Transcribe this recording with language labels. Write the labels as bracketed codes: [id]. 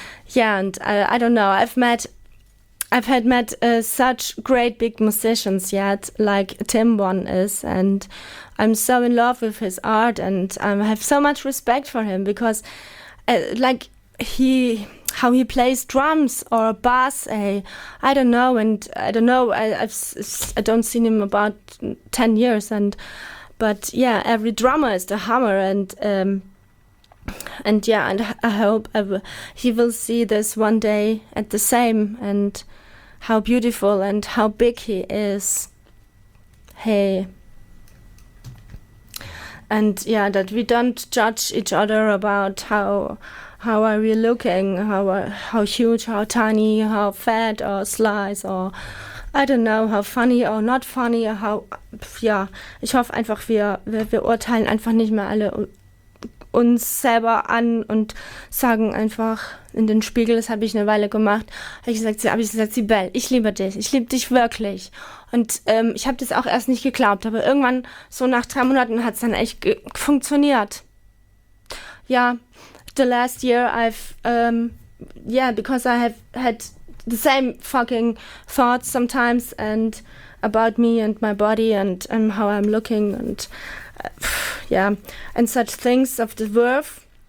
[en] Yeah, and I don't know, I've had met such great big musicians yet, like Tim one is, and I'm so in love with his art, and I have so much respect for him, because, like, how he plays drums or bass, I don't know, I don't see him about 10 years, and But yeah, every drummer is the hammer, and yeah, and I hope he will see this one day at the same, and how beautiful and how big he is. Hey. And yeah, that we don't judge each other about how are we looking, how huge, how tiny, how fat or slice, or I don't know, how funny or not funny, or how, [de] ja, ich hoffe einfach, wir urteilen einfach nicht mehr alle uns selber an und sagen einfach in den Spiegel, das habe ich eine Weile gemacht, habe ich gesagt, Sibel, ich liebe dich, ich liebe dich wirklich. Und ich habe das auch erst nicht geglaubt, aber irgendwann, so nach 3 Monaten, hat es dann echt funktioniert. [en] Ja, the last year I've, yeah, because I have had the same fucking thoughts sometimes, and about me and my body and how I'm looking and yeah, and such things of the worth.